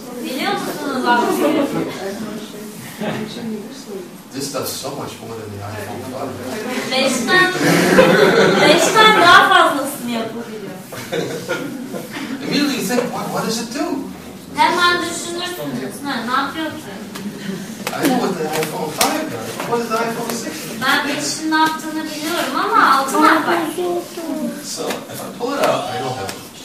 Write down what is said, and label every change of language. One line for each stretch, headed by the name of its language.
Turkish: Biliyor musunuz iPhone 6?
English: This does so much more than the iPhone 5.
Turkish: Beşten daha fazlasını yapabiliyor.
English: Immediately you think, what does it do?
Turkish: Hemen düşünürsünüz. Ne yapıyor ki?
English: I know what the iPhone 5 does. What does the iPhone 6 do?
Turkish: Ben beşin ne yaptığını biliyorum ama altı ne var?
English: So, if I pull it out, I don't have it.